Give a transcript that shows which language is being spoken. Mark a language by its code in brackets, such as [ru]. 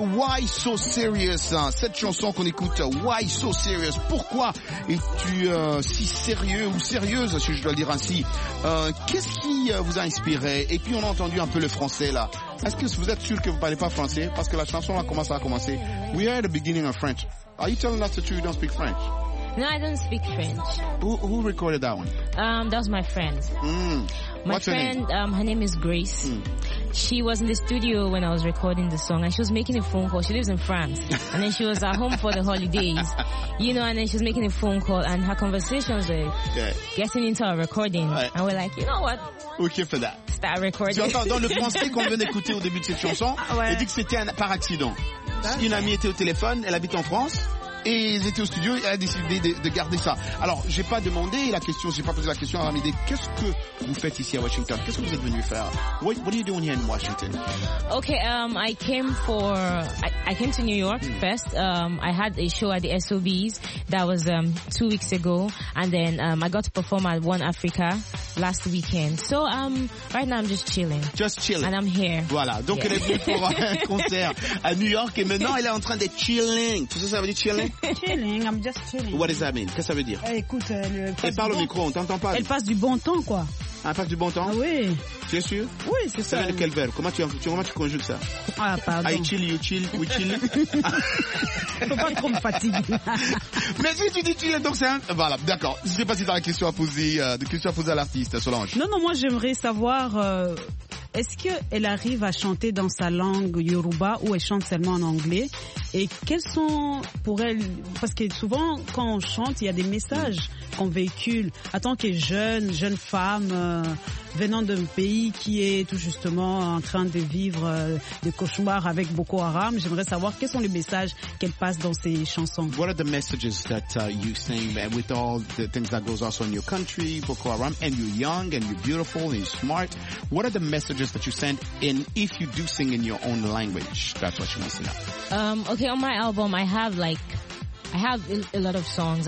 [fr] Why So Serious? Cette chanson qu'on écoute, Why So Serious? Pourquoi es-tu si sérieux ou sérieuse, si je dois le dire ainsi? Qu'est-ce qui vous a inspiré? Et puis, on a entendu un peu le français là. Est-ce que vous êtes sûr que vous parlez pas français? Parce que la chanson a commencé à commencer. [en] We are at the beginning of French. Are you telling us that you don't speak French? No, I don't speak French. Who recorded that one? That was my friend. Mm. My What's friend, her name? Her name is Grace. Mm. She was in the studio when I was recording the song and she was making a phone call. She lives in France and then she was at home for the holidays, you know, and then she was making a phone call and her conversations were getting into our recording. [fr] Ouais. [en] And we're like, you know what? Ok, for that. Start recording. [fr] Tu entends dans le français qu'on vient d'écouter au début de cette chanson, ouais. Il dit que c'était par accident. Une amie était au téléphone, elle habite en France. et ils étaient au studio et elle a décidé de garder ça. Alors, j'ai pas demandé la question, j'ai pas posé la question à Ramide. Qu'est-ce que vous faites ici à Washington? Qu'est-ce que vous êtes venu faire? [en] What are you doing here in Washington? Okay, I came to New York first. I had a show at the SOBs that was 2 weeks ago, and then I got to perform at One Africa last weekend. So right now I'm just chilling. Just chilling. And I'm here. [fr] Voilà. Donc [en] yeah. [fr] Elle est venue pour un concert à New York et maintenant elle est en train de chilling. Tout ça, ça veut dire chilling? [en] Chilling. I'm just chilling. What does that mean? [fr] Qu'est-ce que ça veut dire? Écoute, elle parle au micro, on t'entend pas. Elle passe du bon temps, quoi. Elle passe du bon temps? Oui. Tu es sûr? Oui, c'est ça. Quel verbe? Comment tu conjugues ça? Ah, pardon. [en] I chill, you chill, we chill. [fr] Faut pas trop me fatiguer. Mais si tu dis chill, donc c'est un. Voilà, d'accord. Je sais pas si t'as une question à poser, à l'artiste, Solange. Non, moi j'aimerais savoir, est-ce qu'elle arrive à chanter dans sa langue Yoruba ou elle chante seulement en anglais? Et quels sont pour elle, parce que souvent quand on chante, il y a des messages qu'on véhicule en tant que jeune femme venant d'un pays qui est tout justement en train de vivre des cauchemars avec Boko Haram. J'aimerais savoir quels sont les messages qu'elle passe dans ses chansons. [en] What are the messages that you sing with all the things that goes also in your country, Boko Haram, and you're young and you're beautiful and you're smart? What are the messages that you send in if you do sing in your own language? That's what she wants to know. Okay, on my album, I have a lot of songs.